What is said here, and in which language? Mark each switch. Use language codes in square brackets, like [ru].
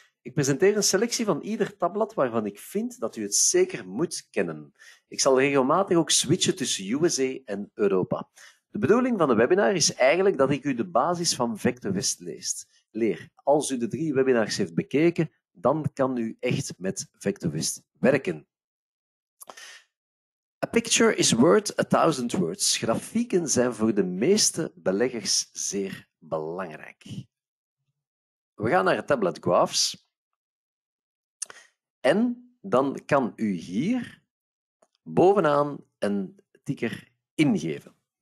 [nl] Ik presenteer een selectie van ieder tabblad waarvan ik vind dat u het zeker moet kennen. Ik zal regelmatig ook switchen tussen USA en Europa. De bedoeling van de webinar is eigenlijk dat ik u de basis van Vectorvist leest. Leer, als u de 3 webinars heeft bekeken, dan kan u echt met Vectorvist werken. [en] A picture is worth 1000 words. [nl] Grafieken zijn voor de meeste beleggers zeer belangrijk. We gaan naar het tabblad Graphs. En dan kan u hier bovenaan een ticker ingeven.